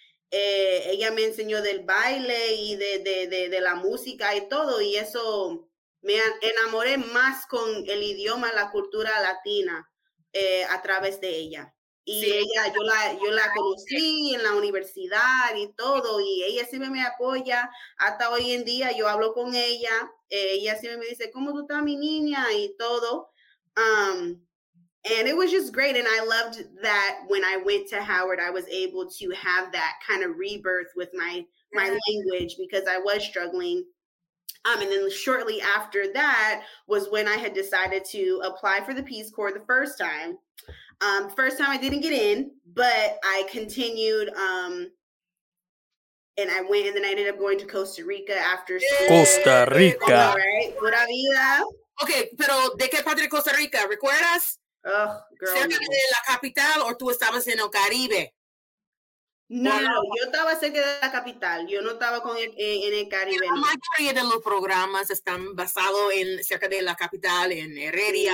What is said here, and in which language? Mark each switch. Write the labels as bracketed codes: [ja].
[es] Ella me enseñó del baile y de la música y todo, y eso me enamoré más con el idioma, la cultura latina a través de ella. Y sí, ella, yo la conocí en la universidad y todo, y ella siempre me apoya. Hasta hoy en día yo hablo con ella, ella siempre me dice, ¿cómo tú estás, mi niña? Y todo. [en] And it was just great. And I loved that when I went to Howard, I was able to have that kind of rebirth with my language, because I was struggling. And then shortly after that was when I had decided to apply for the Peace Corps the first time. First time I didn't get in, but I continued. And I went, and then I ended up going to Costa Rica after. Costa Rica. [es] Right? Pura vida. Okay, pero ¿de qué parte de Costa Rica? ¿Recuerdas? Cerca de la capital o tú estabas en el Caribe? No, yo estaba cerca de la capital. Yo no estaba en el Caribe. La mayoría de los programas están basados en cerca de la capital, en Heredia.